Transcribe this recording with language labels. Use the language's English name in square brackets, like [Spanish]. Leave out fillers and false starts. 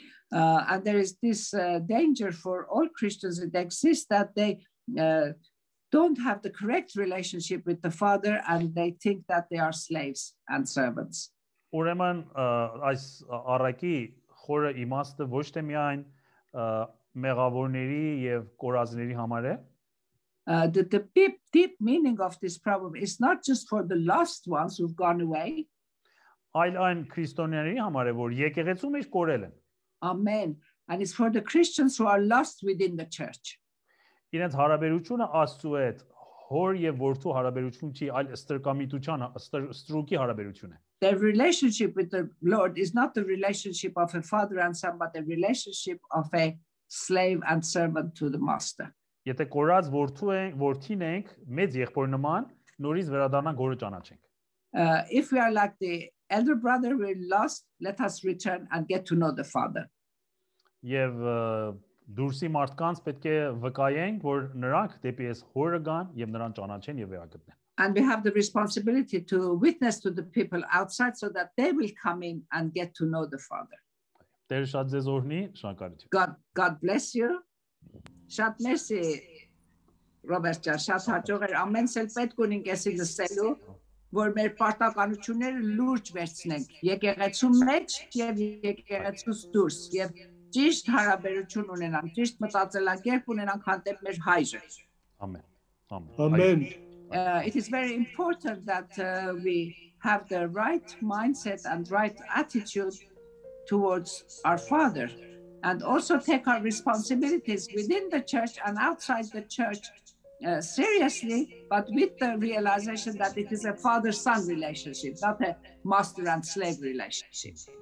[English] And there is this danger for all Christians that exist that they don't have the correct relationship with the Father and they think that they are slaves and servants. [Armenian] Ուրեմն այս առակի խորը իմաստը ոչ թե միայն մեղավորների եւ կորազների համար է։ [English] The deep meaning of this problem is not just for the lost ones who've gone away. [Armenian] Այլ այն քրիստոնյաների համար է, որ եկեղեցում իր կորել են։ [English] Amen. And it's for the Christians who are lost within the church. [Armenian] Իրենց հարաբերությունը Աստծո հետ հոր եւ որդու հարաբերություն չի, այլ ստրկամիտության, ստրուկի հարաբերություն է։ [English] The relationship with the Lord is not the relationship of a father and son, but the relationship of a slave and servant to the master. [Armenian] Եթե կորած որդու ենք, որդին ենք, մեծ եղբոր նման, նորից վերադառնանք գորը ճանաչենք։ [English] If we are like the elder brother, we're lost, let us return and get to know the father. [Armenian] Եվ դուրսի մարդկանց պետք է վկայենք, որ նրանք դեպի այս հորը գան եւ նրան ճանաչեն եւ վերագտնեն։ [English] And we have the responsibility to witness to the people outside so that they will come in and get to know the Father. [Armenian] Տեր շատ ձեզ օրհնի, շնորհակալություն։ [English] God bless you. [Armenian] Շատ մերսի, Robert ջան, շատ հաջող էր, ամենս էլ պետք ունենք էսի լսելու, որ մեր պարտականությունները լուրջ վերցնենք եկեղեցու մեջ եւ եկեղեցուց դուրս եւ ճիշտ հարաբերություն ունենանք, ճիշտ մտածելակերպ ունենանք հանդեպ մեր հայրը։ Ամեն։ Ամեն։ Ամեն։ [English] It is very important that we have the right mindset and right attitude towards our Father and also take our responsibilities within the church and outside the church seriously, but with the realization that it is a father-son relationship, not a master and slave relationship.